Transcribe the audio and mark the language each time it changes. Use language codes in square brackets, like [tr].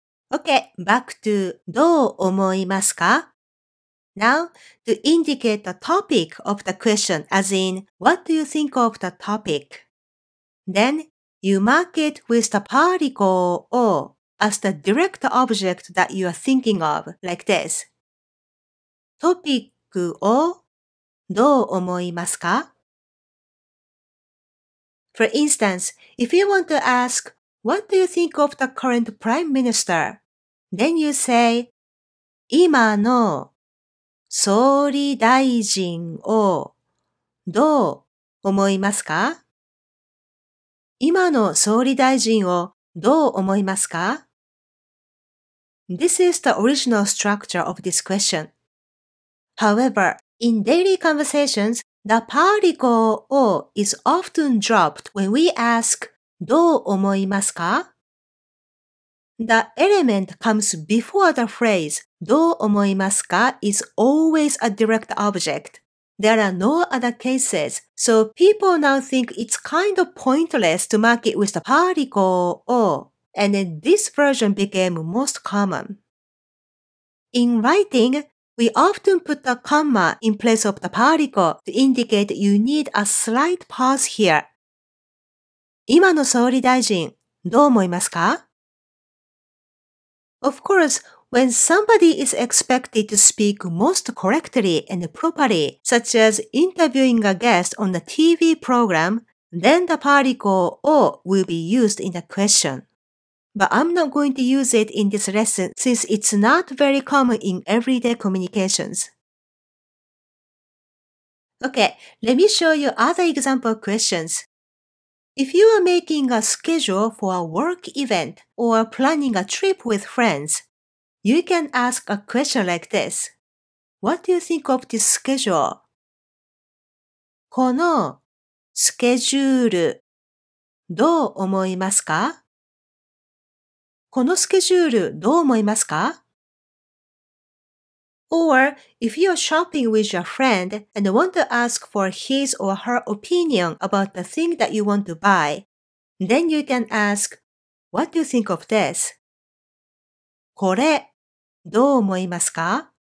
[en] Okay, back to [ja] どう思いますか? [en] Now, to indicate the topic of the question, as in, what do you think of the topic? Then, you mark it with the particle をas the direct object that you are thinking of, like this. [ja] トピックをどう思いますか? [en] For instance, if you want to ask, what do you think of the current prime minister? Then you say, [ja] 今の総理大臣をどう思いますか? 今の総理大臣をどう思いますか? [en] This is the original structure of this question. However, in daily conversations, the particle をis often dropped when we ask, [ja] どう思いますか? [en] The element comes before the phrase, [ja] どう思いますか? [en] Is always a direct object. There are no other cases, so people now think it's kind of pointless to mark it with the particle を, and then this version became most common. In writing, we often put the comma in place of the particle to indicate you need a slight pause here. [ja] 今の総理大臣、どう思いますか? [en] Of course, when somebody is expected to speak most correctly and properly, such as interviewing a guest on a TV program, then the particle を will be used in the question. But I'm not going to use it in this lesson since it's not very common in everyday communications. Okay, let me show you other example questions. If you are making a schedule for a work event or planning a trip with friends, you can ask a question like this. What do you think of this schedule? [ja] このスケジュールどう思いますか? このスケジュールどう思いますか? [en] Or, if you are shopping with your friend and want to ask for his or her opinion about the thing that you want to buy, then you can ask, What do you think of this? [ja] これ、どう思いますか？